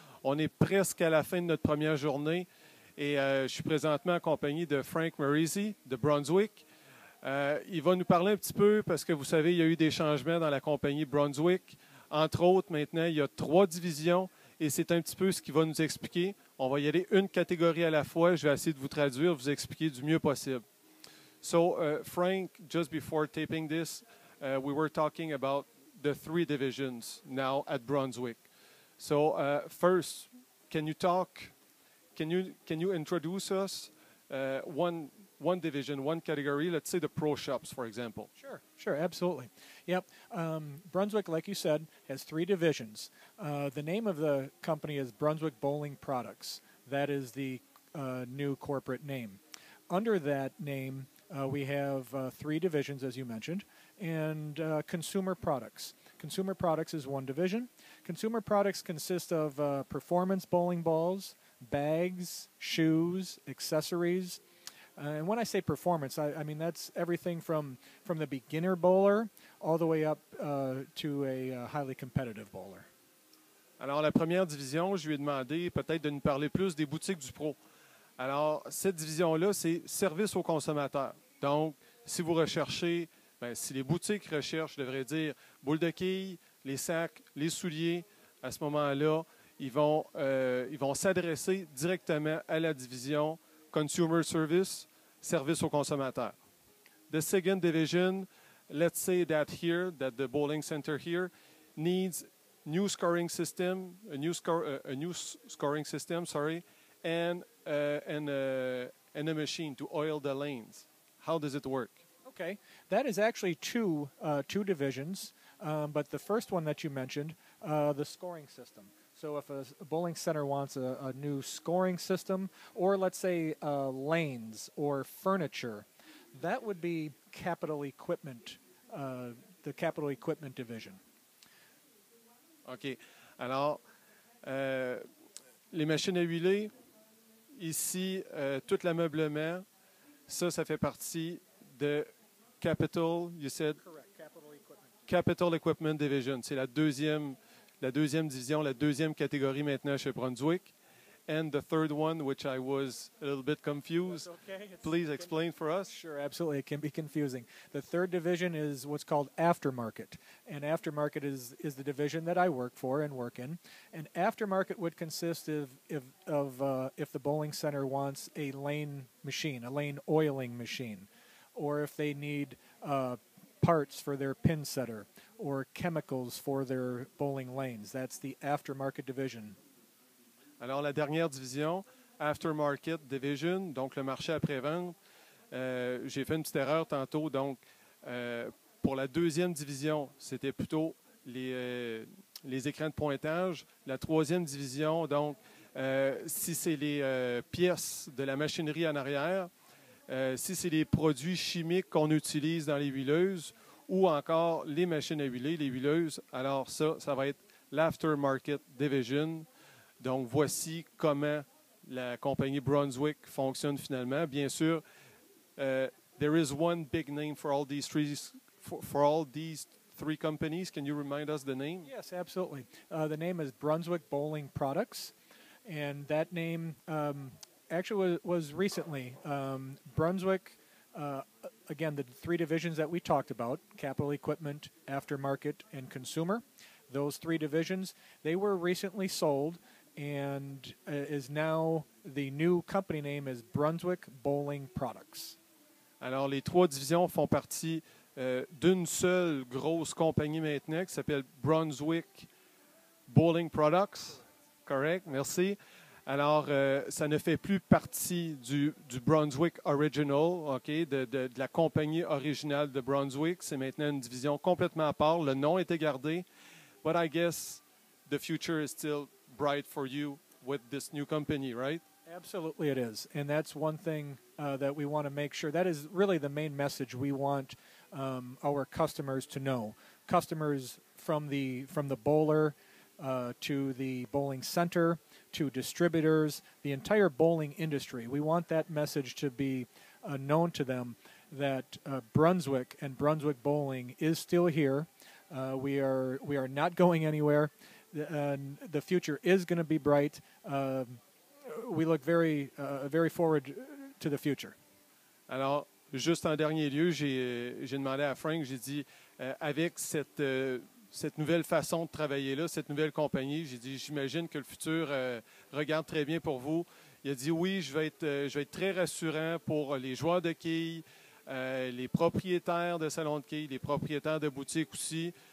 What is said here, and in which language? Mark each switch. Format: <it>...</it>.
<fr>On est presque à la fin de notre première journée et je suis présentement accompagné de Frank Marisi de Brunswick. Il va nous parler un petit peu parce que vous savez, il y a eu des changements dans la compagnie Brunswick. Entre autres, maintenant, il y a 3 divisions et c'est un petit peu ce qu'il va nous expliquer. On va y aller une catégorie à la fois. Je vais essayer de vous traduire, vous expliquer du mieux possible.</fr> <en>So, Frank, just before taping this, we were talking about the 3 divisions now at Brunswick. So, first, can you introduce us one division, one category, let's say the pro shops, for example? Sure, absolutely. Yep. Brunswick, like you said, has 3 divisions. The name of the company is Brunswick Bowling Products. That is the new corporate name. Under that name, we have 3 divisions, as you mentioned, and consumer products. Consumer products is one division. Consumer products consist of performance bowling balls, bags, shoes, accessories. And when I say performance, I mean that's everything from the beginner bowler all the way up to a highly competitive bowler.</en> <fr>Alors, la première division, je lui ai demandé peut-être de nous parler plus des boutiques du pro. Alors, cette division-là, c'est service aux consommateurs. Donc, si vous recherchez, ben, si les boutiques recherchent, je devrais dire, boules de quilles, les sacs, les souliers, à ce moment-là, ils vont s'adresser directement à la division Consumer Service, service aux consommateurs.</fr> <en>The second division, let's say that here, that the bowling center here, needs new scoring system, and a machine to oil the lanes. How does it work? Okay, that is actually two divisions, but the first one that you mentioned, the scoring system. So if a bowling center wants a new scoring system, or let's say lanes or furniture, that would be capital equipment, the capital equipment division.</en> <fr>Okay, alors, les machines à huiler, ici, tout l'ameublement, ça fait partie de Capital,</fr> <en>you said? Correct, Capital Equipment. Capital Equipment Division.</en> <fr>C'est la deuxième division, la deuxième catégorie maintenant chez Brunswick.</fr> <en>And the third one, which I was a little bit confused. That's okay. Please explain for us. Sure, absolutely. It can be confusing. The third division is what's called aftermarket. And aftermarket is the division that I work for and work in. And aftermarket would consist if the bowling center wants a lane machine, a lane oiling machine, or if they need parts for their pin setter or chemicals for their bowling lanes. That's the aftermarket division.</en> <fr>Alors, la dernière division, Aftermarket Division, donc le marché après-vente, j'ai fait une petite erreur tantôt. Donc, pour la deuxième division, c'était plutôt les écrans de pointage. La troisième division, donc, si c'est les pièces de la machinerie en arrière, si c'est les produits chimiques qu'on utilise dans les huileuses ou encore les machines à huiler, les huileuses, alors ça va être l'Aftermarket Division. Donc, voici comment la compagnie Brunswick fonctionne finalement. Bien sûr,</fr> <en>there is one big name for all these three companies. Can you remind us the name? Yes, absolutely. The name is Brunswick Bowling Products, and that name actually was recently. Brunswick, again, the 3 divisions that we talked about, capital equipment, aftermarket, and consumer, those 3 divisions, they were recently sold. And is now the new company name is Brunswick Bowling Products.</en> <fr>Alors, les 3 divisions font partie d'une seule grosse compagnie maintenant qui s'appelle Brunswick Bowling Products. Correct, merci. Alors, ça ne fait plus partie du Brunswick Original, OK, de la compagnie originale de Brunswick. C'est maintenant une division complètement à part. Le nom était gardé.</fr> <en>But I guess the future is still bright for you with this new company, right? Absolutely it is. And that's one thing that we want to make sure. That is really the main message we want our customers to know. Customers from the bowler to the bowling center to distributors, the entire bowling industry. We want that message to be known to them that Brunswick and Brunswick Bowling is still here. We are not going anywhere. The future is going to be bright. We look very very forward to the future.</en> <fr>Alors, juste en dernier lieu, j'ai demandé à Frank, j'ai dit, avec cette nouvelle façon de travailler là, cette nouvelle compagnie, j'ai dit, j'imagine que le futur regarde très bien pour vous. Il a dit, oui, je vais être très rassurant pour les joueurs de quilles, les propriétaires de salons de quilles, les propriétaires de boutiques aussi.</fr>